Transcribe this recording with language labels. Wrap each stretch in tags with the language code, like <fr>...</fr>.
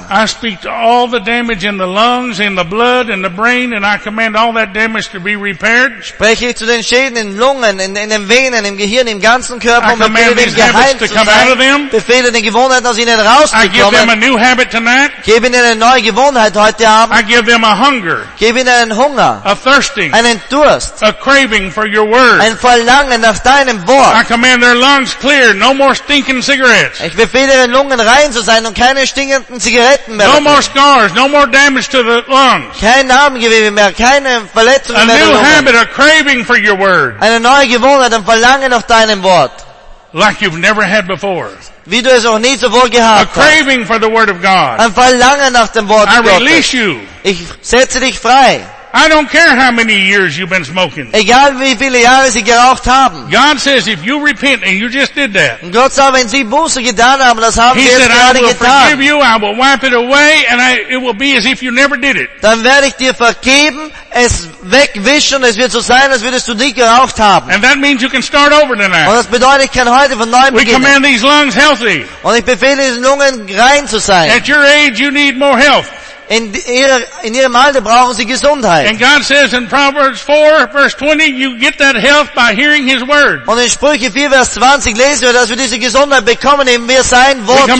<en>I speak to all the damage in the lungs, in the blood, in the brain, and I command all that damage to be repaired.</en> <de>Spreche ich zu den Schäden in Lungen, in den Venen, im Gehirn, im ganzen Körper, und befehle den Geheilt zu sein. Befehle den Gewohnheiten aus ihnen rauszukommen.</de> <en>I give them a new habit tonight.</en> <de>Gebe ihnen eine neue Gewohnheit heute Abend.</de> <en>I give them a hunger.</en> <de>Gebe ihnen einen Hunger.</de> <en>A thirsting.</en> <de>Einen Durst.</de> <en>A craving for your word.</en> <de>Ein Verlangen nach deinem Wort.</de> <en>I command their lungs clear, no more stinking cigarettes.</en> <de>Ich befehle den Lungen rein zu sein und keine stinkenden Zigaretten mehr.</de> <en>No more scars, no more damage to the lungs.</en> <de>Kein Narbengewebe mehr, keine Verletzungen mehr.</de> <en>A new habit, a craving for your word.</en> <de>Eine neue Gewohnheit, ein Verlangen nach deinem Wort.</de> <en>Like you've never had before.</en> <de>Wie du es auch nie zuvor gehabt hast.</de> <en>A craving for the word of God.</en> <de>Ein Verlangen nach dem Wort Gottes.</de> <en>I release you.</en> <de>Ich setze dich frei.</de> <en>I don't care how many years you've been smoking.</en> <de>Egal wie viele Jahre sie geraucht haben.</de> <en>God says if you repent and you just did that.</en> <de>Gott sagt, wenn sie Buße getan haben, das haben sie gerade getan.</de> <en>said, I will forgive you, I will wipe it away, and it will be as if you never did it.</en> <de>Dann werde ich dir vergeben, es wegwischen, es wird so sein, als würdest du nie geraucht haben.</de> <en>And that means you can start over tonight.</en> <de>Und das bedeutet, ich kann heute von neuem beginnen.</de> <en>We command these lungs healthy.</en> <de>Und ich befehle diesen Lungen rein zu sein.</de> <en>At your age, you need more health.</en> <de>In ihrem Alter brauchen sie Gesundheit.</de> <en>And God says in Proverbs 4, verse 20, you get that health by hearing His word.</en> <de>Und in Sprüche 4, Vers 20 lesen wir, dass wir diese Gesundheit bekommen, indem wir sein Wort hören.</de>